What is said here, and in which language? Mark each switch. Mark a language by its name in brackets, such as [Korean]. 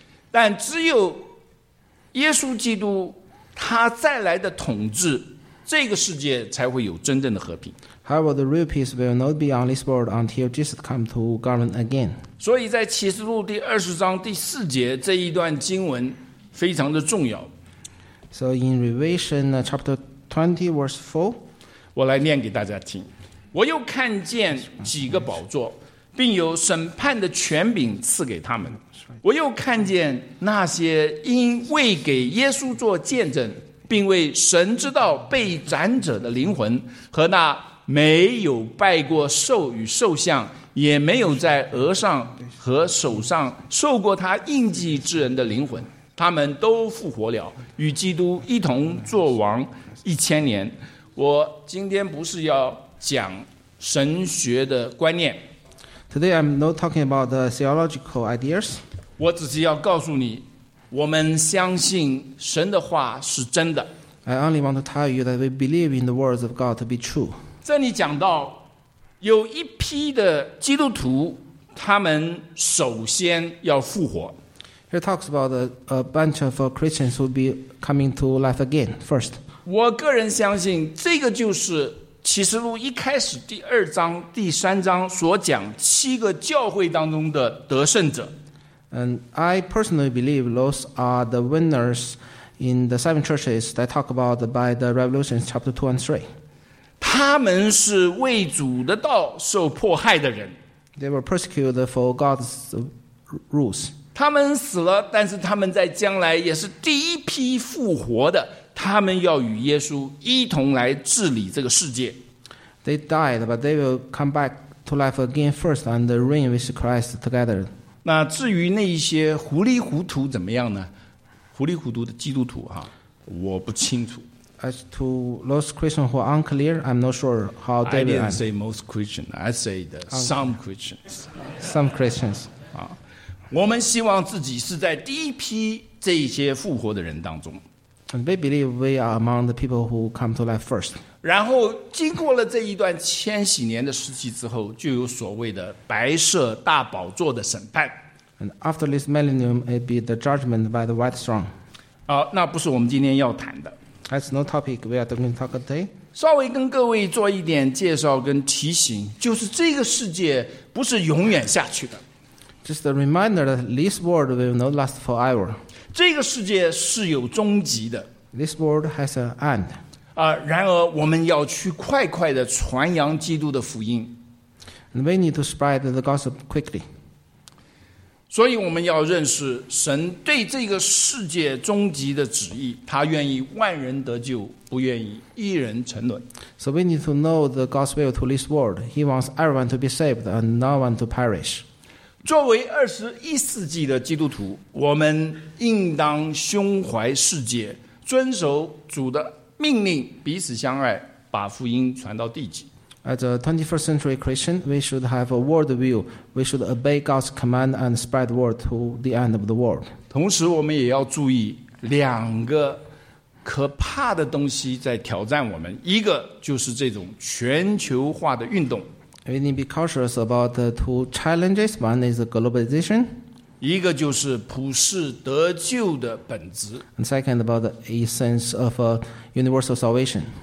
[Chinese] 但只有耶稣基督他再来的统治，这个世界才会有真正的和平。 [English] However, the real peace will not be on this world until Jesus comes to govern again. [Chinese] 所以在启示录第二十章第四节这一段经文非常的重要。 [English] So in Revelation chapter 20 verse 4, [Chinese] 我来念给大家听。我又看见几个宝座，并有审判的权柄赐给他们。我又看见那些因为给耶稣做见证，并为神知道被斩者的灵魂和那没有拜过兽与兽像，也没有在额上和手上受过他印记之人的灵魂，他们都复活了，与基督一同作王一千年。我今天不是要讲神学的观念。 [English] Today I'm not talking about the theological ideas. [Chinese] 我只是要告诉你，我们相信神的话是真的。 [English] I only want to tell you that we believe in the words of God to be true. [Chinese] 这里讲到有一批的基督徒，他们首先要复活。 [English] He talks about a bunch of Christians who will be coming to life again first. [Chinese] 我个人相信这个就是启示录一开始第二章第三章所讲七个教会当中的得胜者。 [English] And I personally believe those are the winners in the seven churches that talk about by the Revelation chapter 2 and 3. [Chinese] 他们是为主的道受迫害的人。 [English] They were persecuted for God's rules. [Chinese] 他们死了，但是他们在将来也是第一批复活的。他们要与耶稣一同来治理这个世界。 [English] They died, but they will come back to life again first and reign with Christ together. [Chinese] 那至于那一些糊里糊涂怎么样呢？糊里糊涂的基督徒哈，我不清楚。 [English] As to those Christians who are unclear, I'm not sure how they are. I didn't say most Christians. I said some Christians. Some Christians. [Chinese] 啊，我们希望自己是在第一批这些复活的人当中。 [English] And we believe we are among the people who come to life first. [Chinese] 然后经过了这一段千禧年的时期之后，就有所谓的白色大宝座的审判。 [English] And after this millennium, it be the judgment by the white throne. [Chinese] 好，那不是我们今天要谈的。 [English] That's no topic we are going to talk today. [Chinese] 稍微跟各位做一点介绍跟提醒，就是这个世界不是永远下去的。 [English] Just a reminder that this world will not last forever. [Chinese] 这个世界是有终极的。 [English] This world has an end. [Chinese] 啊，然而我们要去快快的传扬基督的福音。 [English] And we need to spread the gospel quickly. [Chinese] 所以我们要认识神对这个世界终极的旨意，他愿意万人得救，不愿意一人沉沦。 [English] So we need to know the God's will to this world. He wants everyone to be saved and no one to perish. [Chinese] 作为二十一世纪的基督徒，我们应当胸怀世界，遵守主的命令，彼此相爱，把福音传到地极。 [English] As a 21st century Christian, we should have a world view. We should obey God's command and spread the word to the end of the world. [Chinese] 同时，我们也要注意两个可怕的东西在挑战我们，一个就是这种全球化的运动。 [English] We need to be cautious about the two challenges. One is globalization. [Chinese] 一个就是普世得救的本质。 [English] And second about the essence of universal salvation.